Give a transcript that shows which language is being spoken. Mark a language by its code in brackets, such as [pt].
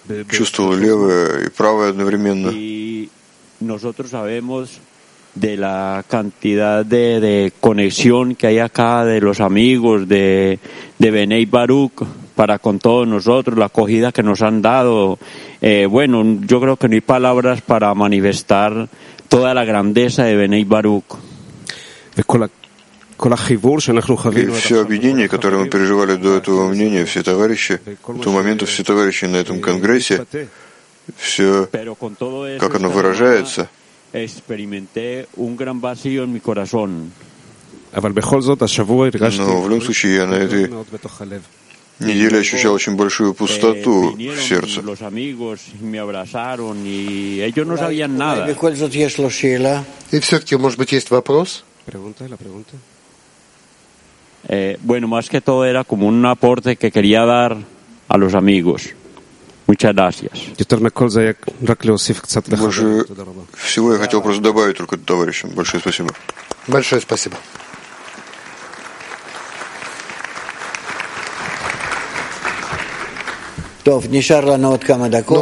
[ru] чувствовал левое и правое одновременно. [es] Nosotros sabemos de la cantidad de conexión que hay acá de los amigos de Bnei Baruch para con todos nosotros, la acogida que nos han dado. Bueno, yo creo que no hay palabras para manifestar toda la grandeza de Bnei Baruch. Y [ru] все объединение, которое мы переживали до этого мнения, все товарищи, в тот момент все товарищи на этом конгрессе, все, как оно выражается, [es] experimenté un gran vacío en mi corazón. [ru] Но в любом случае я на этой неделе ощущал очень большую пустоту в сердце. [es] Los amigos me abrazaron y ellos no sabían nada. [ru] И все-таки, может быть, есть вопрос? [es] Bueno, más que todo era como un aporte que quería dar a los amigos. Muchas gracias. [ru] Больше всего я хотел просто добавить только товарищам. Большое спасибо. Большое спасибо. Ну